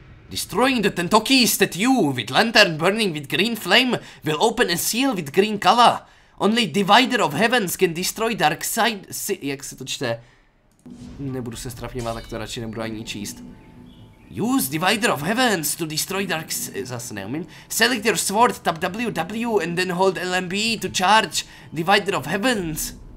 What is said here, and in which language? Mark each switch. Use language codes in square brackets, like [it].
[en] Destroying the Tentoki statue with lantern burning with green flame will open a seal with green color. Only Divider of Heavens can destroy dark side... [cs] Si- jak se to čte? Nebudu se strapněvat, tak to radši nebudu ani číst. [en] Use Divider of Heavens to destroy dark... [cs] Zase neumím. [en] Select your sword, tap WW and then hold LMB to charge Divider of Heavens.